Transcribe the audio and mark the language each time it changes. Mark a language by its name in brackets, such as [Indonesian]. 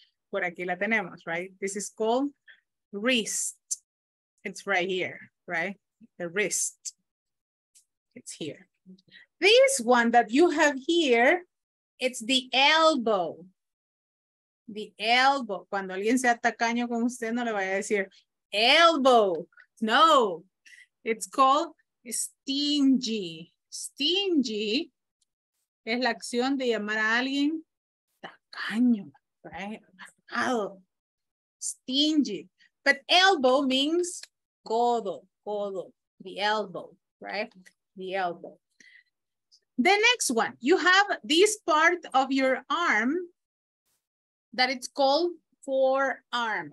[Spanish] Por aquí la tenemos, [English] right? This is called wrist. It's right here, right? The wrist. It's here. This one that you have here, it's the elbow. The elbow. [Spanish] Cuando alguien sea tacaño con usted, no le vaya a decir elbow. [English] No, it's called stingy. [Spanish] Stingy es la acción de llamar a alguien tacaño, right? [English] Stingy. But elbow means [Spanish] codo, codo, [English] the elbow, right? The elbow. The next one, you have this part of your arm that it's called forearm.